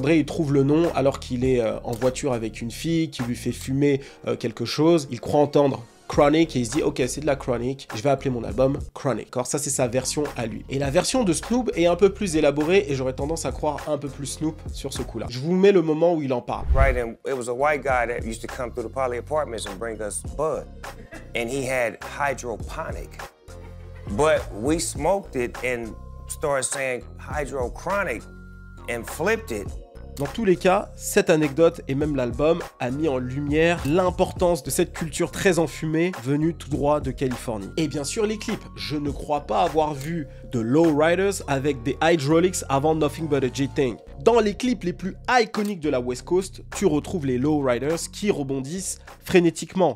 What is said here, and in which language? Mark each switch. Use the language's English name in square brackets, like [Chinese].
[French] Dre, il trouve le nom alors qu'il est en voiture avec une fille qui lui fait fumer quelque chose. Il croit entendre Chronic et il se dit ok, c'est de la Chronic, je vais appeler mon album Chronic. Alors ça c'est sa version à lui. Et la version de Snoop est un peu plus élaborée et j'aurais tendance à croire un peu plus Snoop sur ce coup-là. Je vous mets le moment où il en parle. [English] Right, and it was a white guy that used to come through the Poly Apartments and bring us bud. And he had hydroponic. But we smoked it and started saying hydrochronic and flipped it. [French] Dans tous les cas, cette anecdote et même l'album a mis en lumière l'importance de cette culture très enfumée venue tout droit de Californie. Et bien sûr les clips, je ne crois pas avoir vu de Lowriders avec des Hydraulics avant Nothing But a G-Thang. Dans les clips les plus iconiques de la West Coast, tu retrouves les Lowriders qui rebondissent frénétiquement.